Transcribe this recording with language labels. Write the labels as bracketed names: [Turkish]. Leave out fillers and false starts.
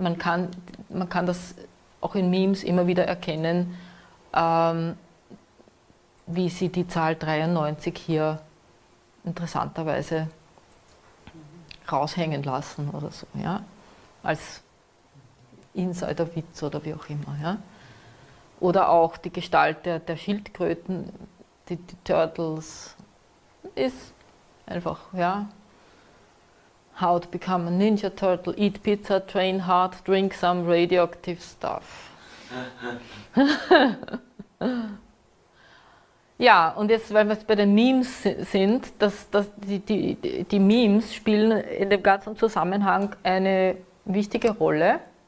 [German] Man kann das auch in Memes immer wieder erkennen, wie sie die Zahl 93 hier interessanterweise raushängen lassen oder so, ja, als Insider-Witz oder wie auch immer. Ja? Oder auch die Gestalt der Schildkröten, die Turtles, ist einfach, ja. [English] How to become a Ninja Turtle, eat pizza, train hard, drink some radioactive stuff. [German] Ja, und jetzt, weil wir es bei den Memes sind, die Memes spielen in dem ganzen Zusammenhang eine wichtige Rolle.